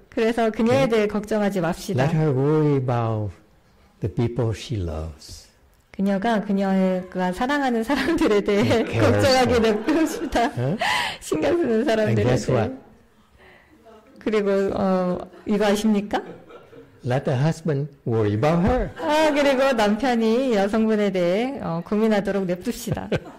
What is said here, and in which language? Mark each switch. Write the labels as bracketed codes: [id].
[ko] 그래서 그녀에 대해 걱정하지 맙시다. [en] Let her worry about the people she loves. [ko] 그녀가 그녀가 사랑하는 사람들에 대해 걱정하게 냅둡시다. 신경 쓰는 사람들에 대해. [en] And guess what? [ko] 그리고 이거 아십니까? [en] Let the husband worry about her. [ko] 아, 그리고 남편이 여성분에 대해 고민하도록 냅둡시다.